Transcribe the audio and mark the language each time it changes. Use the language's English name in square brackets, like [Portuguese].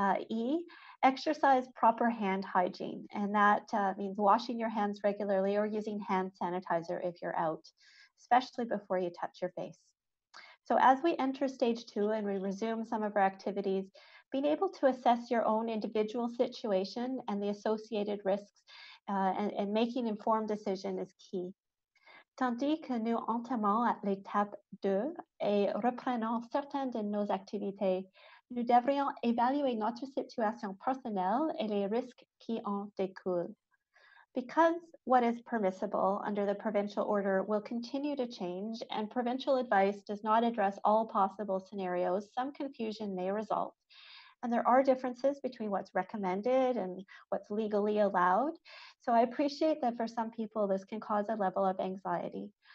[English] E, exercise proper hand hygiene, and that means washing your hands regularly or using hand sanitizer if you're out, especially before you touch your face. So as we enter stage two and we resume some of our activities, being able to assess your own individual situation and the associated risks and making informed decision is key. [French] Tandis que nous entamons à l'étape 2 et reprenons certaines de nos activités, nous devrions évaluer notre situation personnelle et les risques qui en découlent. [English] Because what is permissible under the provincial order will continue to change and provincial advice does not address all possible scenarios, some confusion may result. And there are differences between what's recommended and what's legally allowed. So I appreciate that for some people, this can cause a level of anxiety.